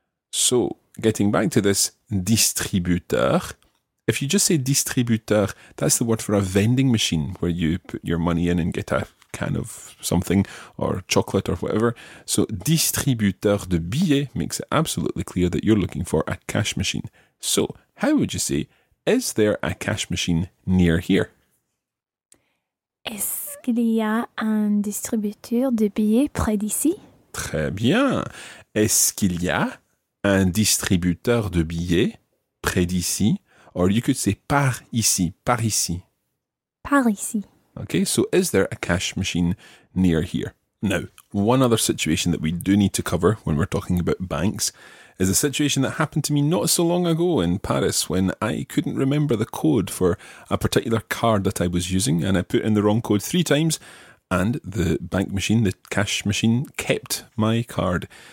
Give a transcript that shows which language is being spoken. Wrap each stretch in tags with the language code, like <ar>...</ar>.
<en>So, getting back to this distributeur, if you just say distributeur, that's the word for a vending machine where you put your money in and get a can of something or chocolate or whatever. So, distributeur de billets makes it absolutely clear that you're looking for a cash machine. So, how would you say, is there a cash machine near here?</en> <fr>Est-ce qu'il y a un distributeur de billets près d'ici? Très bien. Est-ce qu'il y a un distributeur de billets près d'ici?</fr> <en>Or you could say</en> <fr>par ici, par ici. Par ici.</fr> <en>Okay, so is there a cash machine near here? Now, one other situation that we do need to cover when we're talking about banks is a situation that happened to me not so long ago in Paris when I couldn't remember the code for a particular card that I was using and I put in the wrong code three times and the bank machine, the cash machine, kept my card.</en>